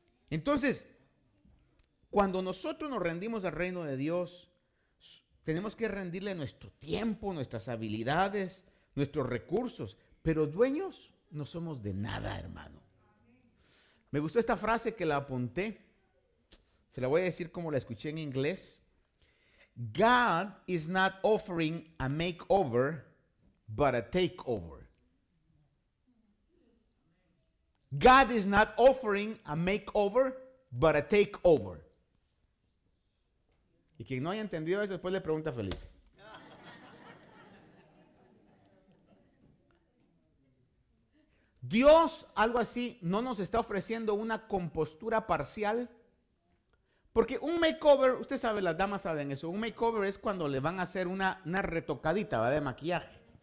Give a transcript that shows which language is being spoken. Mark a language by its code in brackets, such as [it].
[es] Entonces, cuando nosotros nos rendimos al reino de Dios, tenemos que rendirle nuestro tiempo, nuestras habilidades, nuestros recursos, pero dueños no somos de nada, hermano. Me gustó esta frase que la apunté. Se la voy a decir como la escuché en inglés. [en] God is not offering a makeover, but a takeover. God is not offering a makeover, but a takeover. [es] Y quien no haya entendido eso, después le pregunta a Felipe. Dios, algo así, no nos está ofreciendo una compostura parcial. Porque un makeover, usted sabe, las damas saben eso. Un makeover es cuando le van a hacer una retocadita, ¿va? De maquillaje.